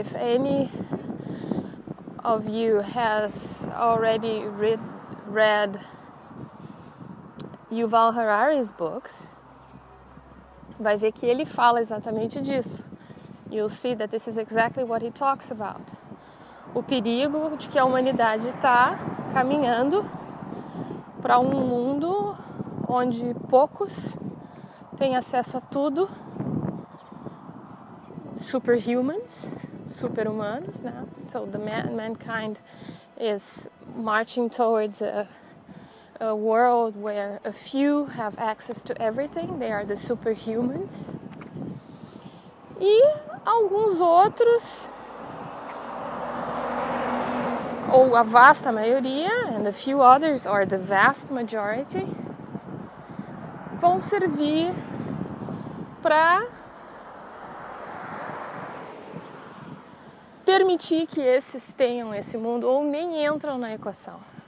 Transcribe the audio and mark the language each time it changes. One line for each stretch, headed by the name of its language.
English: If any of you has already read Yuval Harari's books,
Portuguese: vai ver que ele fala exatamente disso.
English: You'll see that this is exactly what he talks about.
Portuguese: O perigo de que a humanidade está caminhando para um mundo onde poucos têm acesso a tudo, superhumans, super-humanos, né?
English: So the mankind is marching towards a world where a few have access to everything, they are the superhumans.
Portuguese: E alguns outros, ou a vasta maioria,
English: and a few others, or the vast majority,
Portuguese: vão servir para permitir que esses tenham esse mundo ou nem entram na equação.